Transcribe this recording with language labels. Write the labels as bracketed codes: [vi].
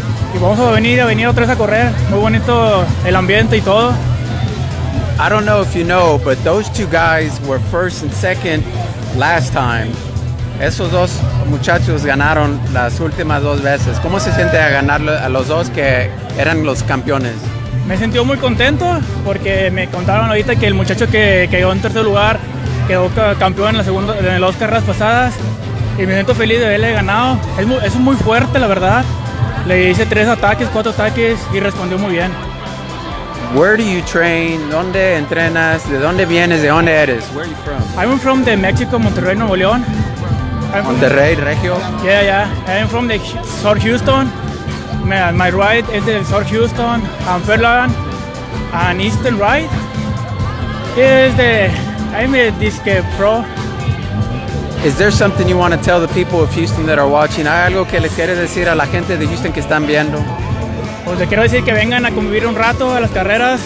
[es] Y vamos a venir otra vez a correr. Muy bonito el ambiente y todo. [en] I don't know if you know, but those two guys were first and second last time. [es] Esos dos muchachos ganaron las últimas dos veces. ¿Cómo se siente a ganar a los dos que eran los campeones? Me sentí muy contento porque me contaron ahorita que el muchacho que quedó en tercer lugar quedó campeón en las carreras pasadas. Y me siento feliz de haberle ganado. Es muy fuerte, la verdad. Le hice cuatro ataques y respondió muy bien. [en] Where do you train? [es] ¿Dónde entrenas? ¿De dónde vienes? ¿De dónde eres? [en] Where are you from? I'm from the Mexico, Monterrey, Nuevo León. [es] Monterrey, Regio? [en] Yeah. I'm from the South Houston. My ride is the South Houston, and Fairland, and Eastern Ride. I'm a disc pro. Is there something you want to tell the people of Houston that are watching? [es] ¿Hay algo que les quieres decir a la gente de Houston que están viendo? Pues les quiero decir que vengan a convivir un rato a las carreras.